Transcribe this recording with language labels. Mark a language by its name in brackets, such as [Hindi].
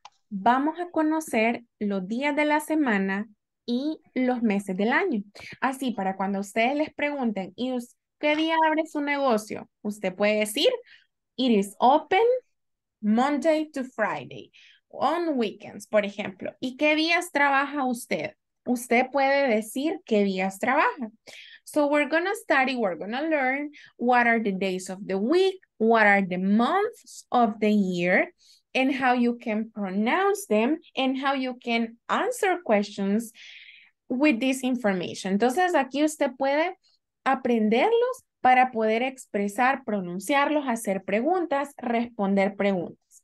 [Spanish] Vamos a conocer los días de la semana y los meses del año. Así, para cuando ustedes les pregunten, ¿y qué día abre su negocio? Usted puede decir, [English] it is open Monday to Friday, on weekends, [Spanish] por ejemplo. ¿Y qué días trabaja usted? usted puede decir qué días trabaja. [English] So we're going to study, we're going to learn what are the days of the week, what are the months of the year, and how you can pronounce them, and how you can answer questions with this information. [Spanish] Entonces aquí usted puede aprenderlos para poder expresar, pronunciarlos, hacer preguntas, responder preguntas.